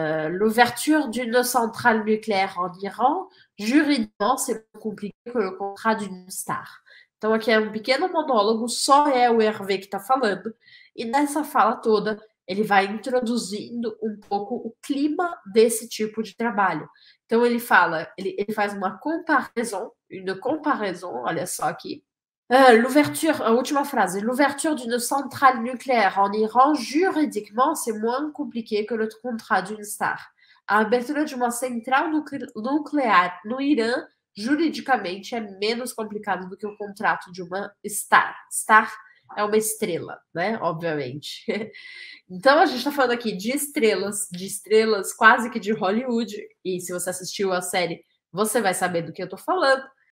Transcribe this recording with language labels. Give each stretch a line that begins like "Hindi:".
French: L'ouverture d'une centrale nucléaire en Iran, juridiquement, c'est plus compliqué que le contrat d'une star.
Portuguese: Então, aqui é um pequeno monólogo, só é o Hervé que está falando. E nessa fala toda, ele vai introduzindo um pouco o clima desse tipo de trabalho. Então ele fala, ele faz uma comparaison, une comparaison, olha só aqui.
French: L'ouverture, a última frase, l'ouverture d'une centrale nucléaire en Iran, juridiquement, c'est moins compliqué que le contrat d'une star.
Portuguese: A abertura de uma central nuclear no Irã, juridicamente, é menos complicado do que o contrato de uma star. Star é uma estrela, né? Obviamente. Então a gente está falando aqui de estrelas, quase que de Hollywood. E se você assistiu a série, você vai saber do que eu estou falando.